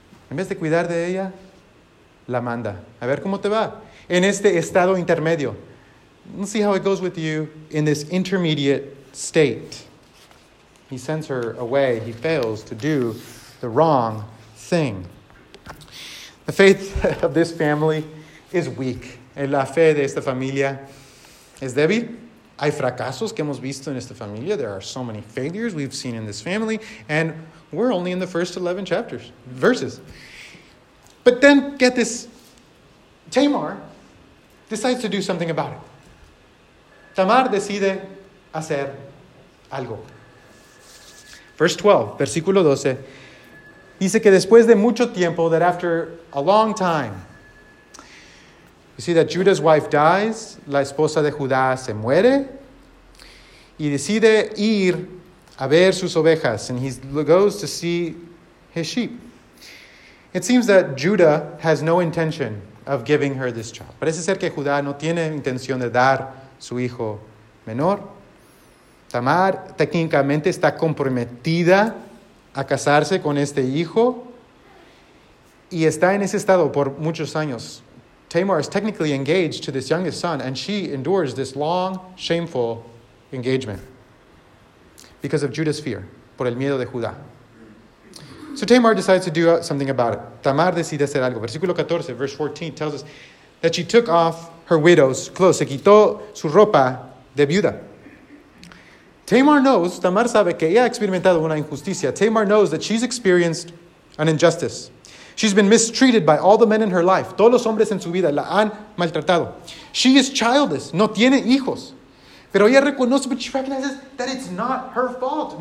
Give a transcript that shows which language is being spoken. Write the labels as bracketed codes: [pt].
[es] En vez de cuidar de ella, la manda. A ver cómo te va. En este estado intermedio. [en] Let's see how it goes with you in this intermediate state. He sends her away. He fails to do the wrong thing. The faith of this family is weak. [es] La fe de esta familia es débil. Hay fracasos que hemos visto en esta familia. [en] There are so many failures we've seen in this family. And we're only in the first 11 chapters, verses. But then get this. Tamar decides to do something about it. [es] Tamar decide hacer algo. [en] Verse 12, [es] versículo 12, dice que después de mucho tiempo, [en] that after a long time, you see that Judah's wife dies, [es] la esposa de Judá se muere, y decide ir a ver sus ovejas, [en] and he goes to see his sheep. It seems that Judah has no intention of giving her this child. [es] Parece ser que Judá no tiene intención de dar su hijo menor. Tamar técnicamente está comprometida a casarse con este hijo y está en ese estado por muchos años. [en] Tamar is technically engaged to this youngest son and she endures this long, shameful engagement because of Judah's fear, [es] por el miedo de Judá. [en] So Tamar decides to do something about it. [es] Tamar decide hacer algo. Versículo 14, [en] verse 14 tells us that she took off her widow's clothes. [es] Se quitó su ropa de viuda. [en] Tamar knows, [es] Tamar sabe que ella ha experimentado una injusticia. [en] Tamar knows that she's experienced an injustice. She's been mistreated by all the men in her life. [es] Todos los hombres en su vida la han maltratado. [en] She is childless. [es] No tiene hijos. Pero ella reconoce, [en] but she recognizes that it's not her fault.